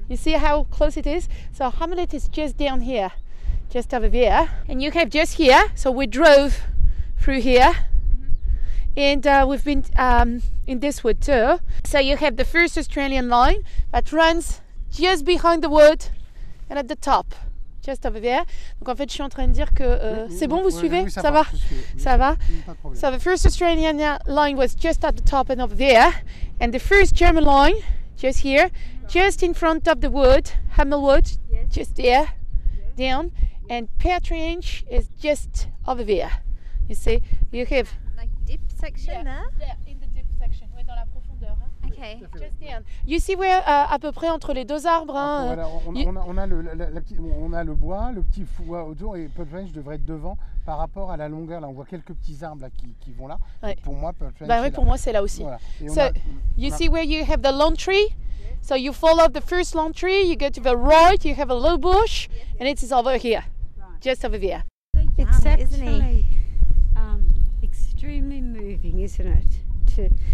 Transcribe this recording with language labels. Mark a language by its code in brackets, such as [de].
[en] You see how close it is? So Hamelet is just down here. Just over there, and you have just here, so we drove through here, and we've been in this wood too. So you have the first Australian line that runs just behind the wood and at the top, [fr] Tu vois, c'est bien. Donc en fait, je suis en train de dire que c'est bon, vous suivez? Oui, ça va? Ça va? [en] So the first Australian line was just at the top and over there, and the first German line just here, just in front of the wood, Hamelwood, just there, down, and Petrange is just over there. You see? You have like deep section there. Yeah, in the deep section. [fr] Oui, dans la profondeur. [en] Okay. Just down. You see where [fr] à peu près entre les deux arbres. Hein, voilà, on a le bois, le petit foie autour et Petrange devrait être devant par rapport à la longueur. Là, on voit quelques petits arbres là, qui vont là. Ouais. Pour moi, Petrange. Ben oui, pour là. Moi, c'est là aussi. Voilà. [en] So, you see where you have the lone tree? Yes. So you follow the first lone tree, you go to the right, you have a low bush, yes. And it is over here, right. Just over there. So yummy, it's actually extremely moving, isn't it?